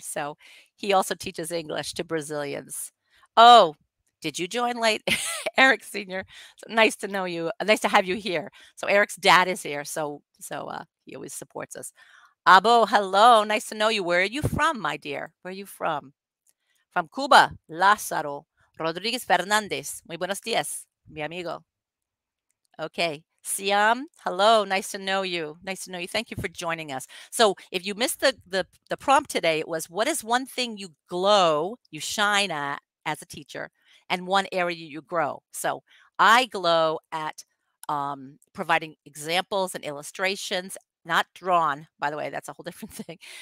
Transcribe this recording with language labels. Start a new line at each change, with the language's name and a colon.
English: So he also teaches English to Brazilians. Oh, did you join late? Eric Sr. So nice to know you. Nice to have you here. So Eric's dad is here. So he always supports us. Abo, hello. Nice to know you. Where are you from, my dear? Where are you from? From Cuba, Lázaro.
Spanish: Rodriguez Fernandez, muy buenos dias, mi amigo.
English: Okay, Siam, hello, nice to know you. Nice to know you, thank you for joining us. So if you missed the prompt today, it was, what is one thing you glow, you shine at as a teacher, and one area you grow? So I glow at providing examples and illustrations, not drawn, by the way, that's a whole different thing.